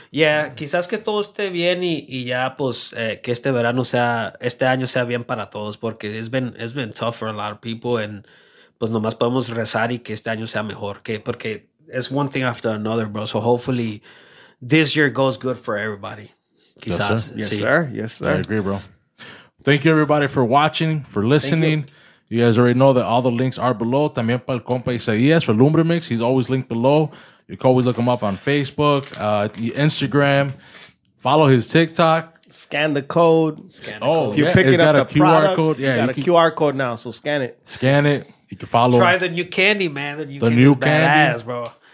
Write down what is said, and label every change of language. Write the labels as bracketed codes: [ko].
[es] Yeah, quizás que todo esté bien y ya, pues, que este verano sea, este año sea bien para todos, porque [en] it's been tough for a lot of people, [es] and pues nomás podemos rezar y que este año sea mejor, que porque [en] it's one thing after another, bro. So hopefully this year goes good for everybody. [es] Quizás. [en] Yes, sir. I agree, bro. Thank you, everybody, for watching, for listening. Thank you. You guys already know that all the links are below. [es] También para el compa Isaías, for Lumbre Mix. [en] He's always linked below. You can always look him up on Facebook, Instagram. Follow his TikTok. Scan the code. Scan the code. If you're picking up the product, you got a QR code now, so scan it. Scan it. You can follow. Try the new candy, man. The new candy is badass, bro.